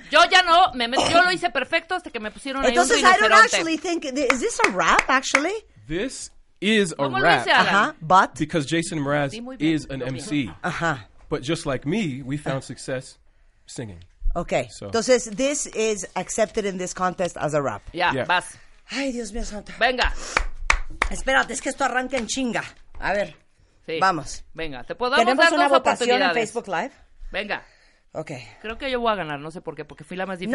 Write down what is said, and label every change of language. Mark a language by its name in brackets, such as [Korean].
[Spanish] Yo ya no, yo lo hice perfecto hasta que me pusieron ahí. Entonces, un rinoceronte. [English] I don't actually think, is this a rap, actually? This is a rap. [Spanish] ¿Cómo lo dice, Alan? [English] Uh-huh. But? Because Jason Mraz is an MC. Uh-huh. But just like me, we found success singing. Okay, so. Entonces, this is accepted in this contest as a rap. [Spanish] Ya, yeah. Vas. Ay, Dios mío santo. Venga. Espérate, es que esto arranca en chinga. A ver, sí. Vamos. Venga, te puedo ¿Tenemos dar dos una votación en Facebook Live? Venga. Ok. Creo que yo voy a ganar, no sé por qué, porque fui la más difícil.